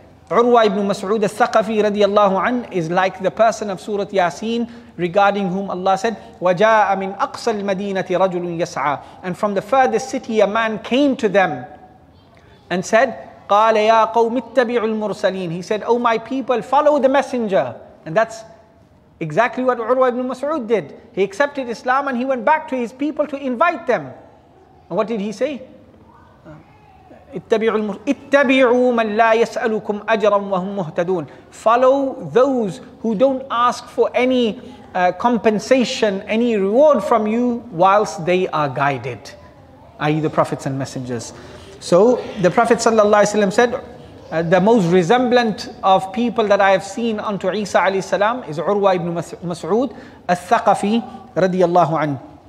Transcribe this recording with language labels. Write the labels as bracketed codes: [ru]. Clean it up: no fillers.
[en] Urwa ibn Mas'ud al-Thaqafi radiallahu an is like the person of Surah Yasin, regarding whom Allah said, [ar] وَجَاءَ مِنْ أَقْصَى الْمَدِينَةِ رَجُلٌ يَسْعَى [en] And from the furthest city a man came to them and said, [ar] قَالَ يَا قَوْمِ اتَّبِعُوا الْمُرْسَلِينَ [en] He said, oh my people, follow the messenger. And that's exactly what Urwa ibn Mas'ud did. He accepted Islam and he went back to his people to invite them. And what did he say? [ar] اتبعوا من لا يسألكم أجرا وهم مهتدون. [en] Follow those who don't ask for any compensation, any reward from you whilst they are guided, i.e. the prophets and messengers. So the Prophet sallallahu alaihi wasallam said, the most resemblant of people that I have seen unto Isa alayhi salam is Urwa ibn Mas'ud al-Thaqafi radiyallahu anhu.